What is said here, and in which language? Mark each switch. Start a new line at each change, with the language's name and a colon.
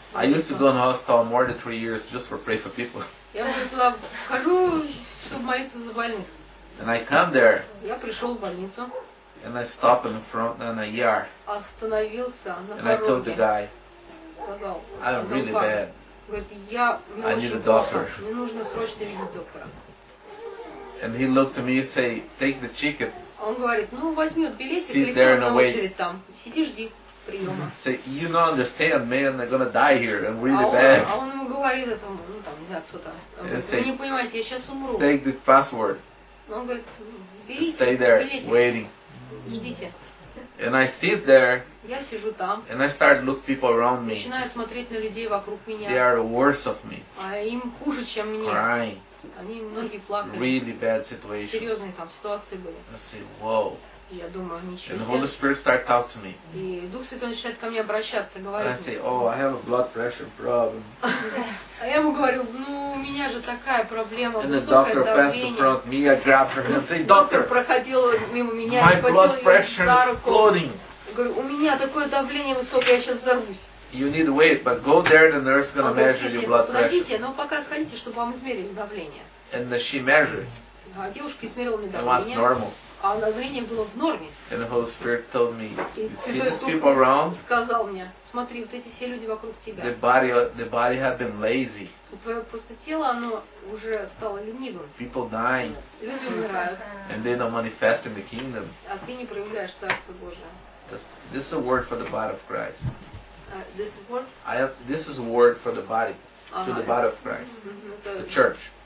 English: I used to go in the hospital more than 3 years just for pray for people.
Russian: Я уже туда хожу, чтобы молиться за больных.
English: And I come there.
Russian: Я пришел в больницу.
English: And I stop in front in a ER.
Russian: Остановился на
English: And
Russian: пороге.
English: I told the guy.
Russian: Сказал.
English: I'm really bad.
Russian: Говорит, я мне
English: I need a doctor.
Russian: Мне нужно срочно видеть доктора.
English: And he looked at me and say, take the chicken.
Russian: Он говорит, ну возьми вот билетик или ты на очередь там. Сиди, жди приема.
English: Say, you don't understand, man, I'm gonna die here. I'm really bad.
Russian: А он ему говорит этому, ну там, не знаю, кто-то. Вы не понимаете, я сейчас умру.
English: Take the password.
Russian: Он говорит, берите,
English: stay there,
Russian: билетик,
English: waiting.
Russian: Ждите.
English: And I sit there.
Russian: Я сижу там.
English: And I start look people around me.
Russian: Начинаю смотреть на людей вокруг меня.
English: They are worse of me.
Russian: А им хуже, чем мне.
English: Crying.
Russian: Они многие плакали.
English: Really bad situation.
Russian: Серьезные там ситуации были.
English: I say, whoa.
Russian: Я думаю, ничего.
English: And the Holy Spirit start talk to me.
Russian: И Дух Святой начинает ко мне обращаться, говорит.
English: And I say, oh, I have a blood pressure problem.
Russian: А я ему говорю, ну у меня же такая проблема.
English: And the doctor passed in front of me, I grabbed her and say, doctor.
Russian: Проходил мимо меня.
English: My blood pressure is exploding.
Russian: Говорю, у меня такое давление высокое, я сейчас взорвусь.
English: You need to wait, but go there, the nurse gonna measure your blood pressure.
Russian: Подождите, но пока сходите, чтобы вам измерили давление.
English: And she measured.
Russian: А девушка измерила мне давление. А давление было в норме.
English: And the Holy Spirit told me, see these people around?
Russian: Сказал мне, смотри, вот эти все люди вокруг тебя.
English: The body had been lazy.
Russian: Твое просто тело, оно уже стало ленивым.
English: People dying.
Russian: Люди умирают.
English: And they don't manifest in the kingdom.
Russian: А ты не проявляешь Царство Божие.
English: This is a word for the body of Christ. This is what? This is a word for the body, to the body of Christ, the church.